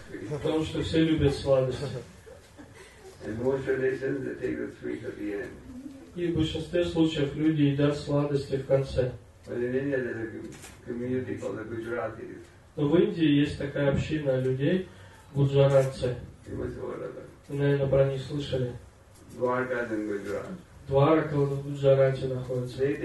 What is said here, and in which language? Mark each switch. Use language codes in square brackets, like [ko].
[ru] Потому что все любят сладости. [en] In most traditions, they take the sweet at the end. [ru] И в большинстве случаев люди едят сладости в конце. Но в Индии есть такая община людей, гуджаранцы. Наверное, про них слышали. Дварка в Гуджарате находится.